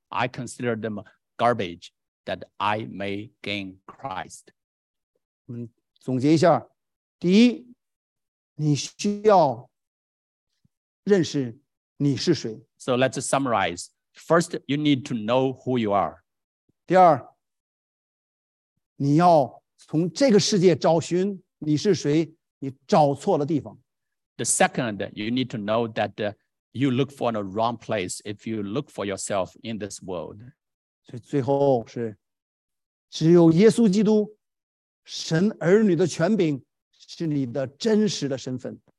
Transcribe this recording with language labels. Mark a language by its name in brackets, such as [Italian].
[English] I consider them garbage." That I may gain Christ. [Chinese] 总结一下，第一，你需要认识你是谁。 [English] So let's summarize. First, you need to know who you are. [Chinese] 第二，你要从这个世界找寻你是谁，你找错了地方。 [English] The second, you need to know that you look for the wrong place if you look for yourself in this world. [Chinese] 所以最后是。只有耶稣基督神儿女的权柄是你的真实的身份。